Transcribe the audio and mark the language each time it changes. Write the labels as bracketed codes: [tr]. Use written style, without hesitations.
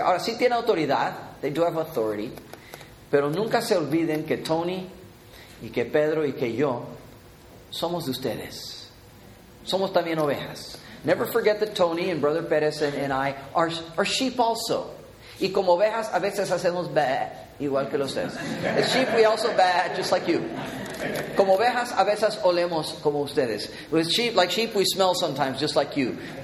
[es] Ahora, sí tienen autoridad, [en] they do have authority, [es] pero nunca se olviden que Tony y que Pedro y que yo somos de ustedes. Somos también ovejas. [en] Never forget that Tony and Brother Perez and I are sheep also. [es] Y como ovejas, a veces hacemos bad, igual que los ustedes. [en] As sheep, we also bad, just like you. [es] Como ovejas, a veces olemos como ustedes. [en] With sheep, like sheep, we smell sometimes, just like you.